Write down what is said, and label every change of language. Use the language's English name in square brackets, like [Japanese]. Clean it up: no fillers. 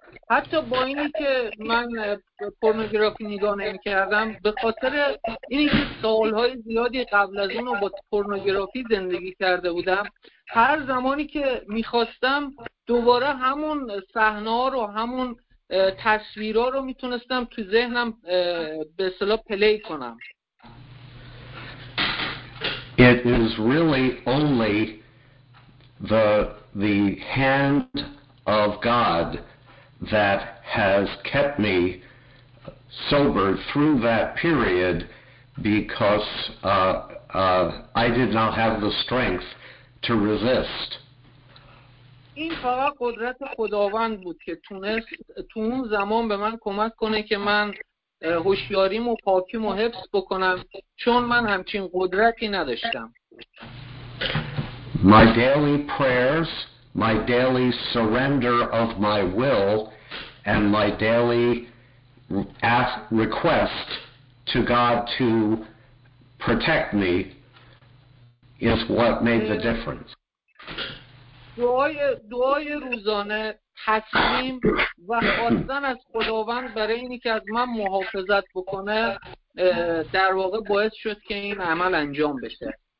[Persian] حتی با اینی که من پورنوگرافی نگاه نمی کردم به خاطر اینی که سالهای زیادی قبل از اون رو با پورنوگرافی زندگی کرده بودم هر زمانی که می خواستم دوباره همون صحنه ها رو همون تصویرها رو می تونستم تو ذهنم به اصطلاح پلی کنم. [English] It is really only the hand of God that has kept me sober through that period, because I did not have the strength to resist. [Persian] این فقط قدرت خداوند بود که تونست تو اون زمان به من کمک کنه که من هوشیاریم و پاکیم و حفظ بکنم چون من همچین قدرتی نداشتم. [English] My daily prayers, my daily surrender of my will, and my daily request to God to protect me is what made the difference. [Persian] دعای روزانه، تسلیم و خواستن از خداوند برای اینی که از من محافظت بکنه در واقع باعث شد که این عمل انجام بشه.